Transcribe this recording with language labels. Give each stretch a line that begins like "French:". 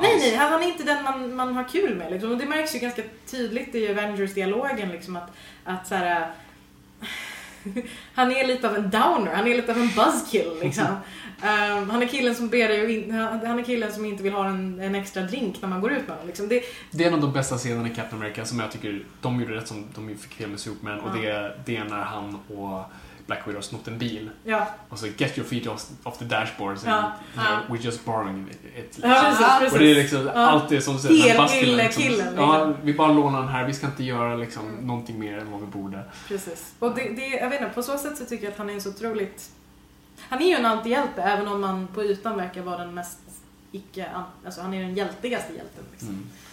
Swedish: Nej, han är inte den man har kul med liksom. Och det märks ju ganska tydligt i Avengers-dialogen liksom, att så här, han är lite av en downer, han är lite av en buzzkill liksom. Han är killen som ber dig, han är killen som inte vill ha en extra drink när man går ut med honom liksom. Det är en av de bästa scenerna i Captain America som jag tycker de gjorde rätt, som de fick fel med Superman. Och det är när han och Black Widow har snott en bil. Ja. Och så
English: get your feet off the dashboard.
Swedish: Ja.
English: We're just borrowing it.
Swedish: Precis. Och det är liksom allt det som säger. Hela killen. Ja, vi bara lånar den här. Vi ska inte göra liksom någonting mer än vad vi borde. Precis. Och det, jag vet inte, på så sätt så tycker jag att han är så otroligt. Han är ju en antihjälte, även om man på ytan verkar vara den mest icke, alltså han är den hjältigaste hjälten liksom.